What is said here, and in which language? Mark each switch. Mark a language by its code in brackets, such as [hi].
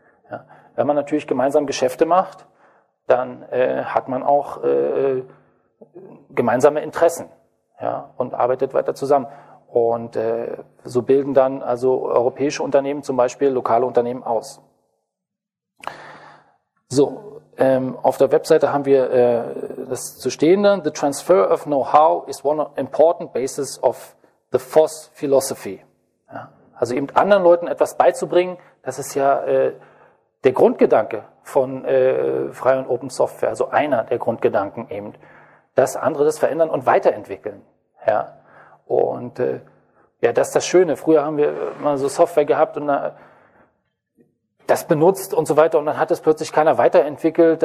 [de] Ja, wenn man natürlich gemeinsam Geschäfte macht, dann hat man auch gemeinsame Interessen, ja, und arbeitet weiter zusammen. Und so bilden dann also europäische Unternehmen zum Beispiel lokale Unternehmen aus. So, auf der Webseite haben wir das zu stehen. [en] The transfer of know-how is one important basis of the FOS philosophy. [de] Ja, also eben anderen Leuten etwas beizubringen, das ist ja der Grundgedanke von Frei und Open Software, also einer der Grundgedanken eben, dass andere das verändern und weiterentwickeln. Ja. Und ja, das ist das Schöne. Früher haben wir mal so Software gehabt und das benutzt und so weiter und dann hat es plötzlich keiner weiterentwickelt.